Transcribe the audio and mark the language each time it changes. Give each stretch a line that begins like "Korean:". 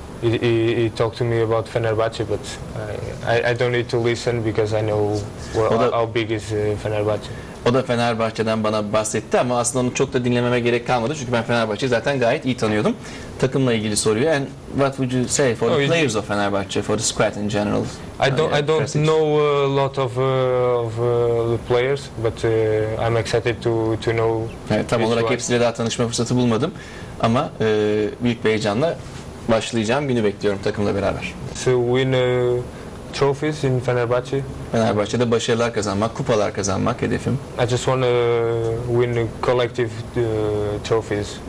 English: He talked to me about Fenerbahçe, but I don't need to listen because I know how big is Fenerbahçe.
Turkish: O da Fenerbahçe'den bana bahsetti ama aslında onu çok da dinlememe gerek kalmadı çünkü ben Fenerbahçe'yi zaten gayet iyi tanıyordum. Takımla ilgili soruyor.
English: And what would you say for the players of Fenerbahçe, for the squad in general? I don't know a lot of the players, but I'm excited to know.
Turkish: Evet, tam olarak hepsiyle daha tanışma fırsatı bulmadım ama büyük bir heyecanla başlayacağım günü bekliyorum takımla beraber.
English: To win trophies in Fenerbahçe.
Turkish: Fenerbahçe'de başarılar kazanmak, kupalar kazanmak hedefim.
English: I just want to win collective trophies.